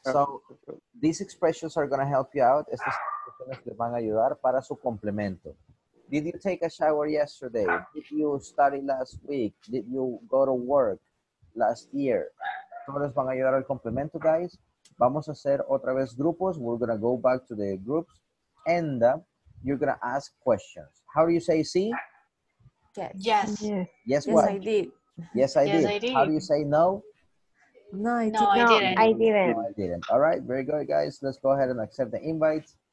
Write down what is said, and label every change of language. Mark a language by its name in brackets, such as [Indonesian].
[English] So these expressions are going to help you out. [Spanish] Estas expresiones les van a ayudar para su complemento. [English] Did you take a shower yesterday? Did you study last week? Did you go to work last year? [Spanish] ¿Cómo les van a ayudar al complemento, guys? Vamos a hacer otra vez grupos. [English] We're going to go back to the groups. And you're going to ask questions. How do you say sí? Yes, I did. How do you say no? No, I didn't. All right, very good, guys. Let's go ahead and accept the invite.